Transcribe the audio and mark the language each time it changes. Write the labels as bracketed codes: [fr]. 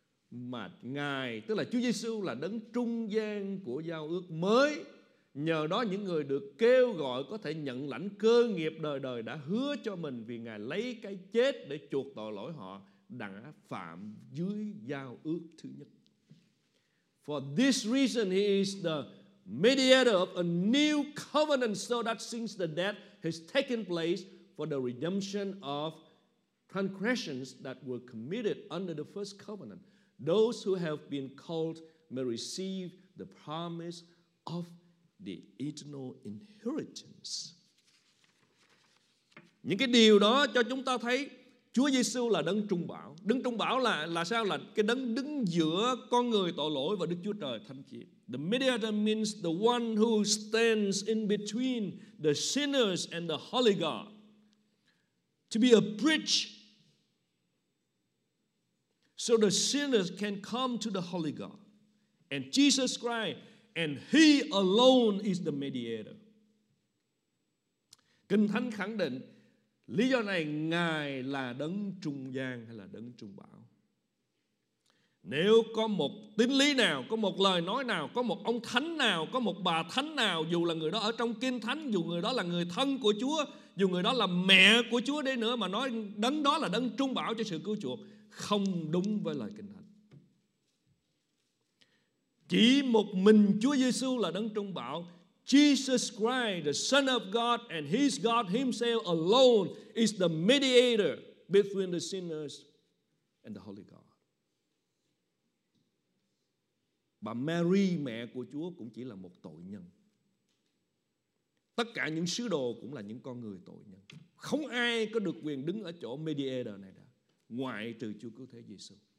[vi] mà Ngài, tức là Chúa Giê-xu, là đấng trung gian của giao ước mới. Nhờ đó những người được kêu gọi có thể nhận lãnh cơ nghiệp đời đời đã hứa cho mình, vì Ngài lấy cái chết để chuộc tội lỗi họ đã phạm dưới giao ước thứ nhất. [en] For this reason he is the mediator of a new covenant, so that since the death has taken place for the redemption of transgressions that were committed under the first covenant, those who have been called may receive the promise of the eternal inheritance. [vi] Những cái điều đó cho chúng ta thấy Chúa Giê-xu là đấng trung bảo. Đấng trung bảo là sao? Là cái đấng đứng giữa con người tội lỗi và Đức Chúa Trời thánh khiết. [en] The mediator means the one who stands in between the sinners and the holy God, to be a bridge so the sinners can come to the holy God. And Jesus Christ, and he alone is the mediator. [vi] Kinh Thánh khẳng định lý do này, Ngài là đấng trung gian hay là đấng trung bảo. Nếu có một tín lý nào, có một lời nói nào, có một ông thánh nào, có một bà thánh nào, dù là người đó ở trong Kinh Thánh, dù người đó là người thân của Chúa, dù người đó là mẹ của Chúa đi nữa, mà nói đấng đó là đấng trung bảo cho sự cứu chuộc, không đúng với lời Kinh Thánh. Chỉ một mình Chúa Giê-xu là đấng trung bảo. [en] Jesus Christ, the Son of God, and He's God Himself alone is the mediator between the sinners and the Holy God. [vi] Bà Mary, mẹ của Chúa, cũng chỉ là một tội nhân. Tất cả những sứ đồ cũng là những con người tội nhân. Không ai có được quyền đứng ở chỗ mediator này đâu, ngoại trừ Chúa Cứu Thế Giê-xu.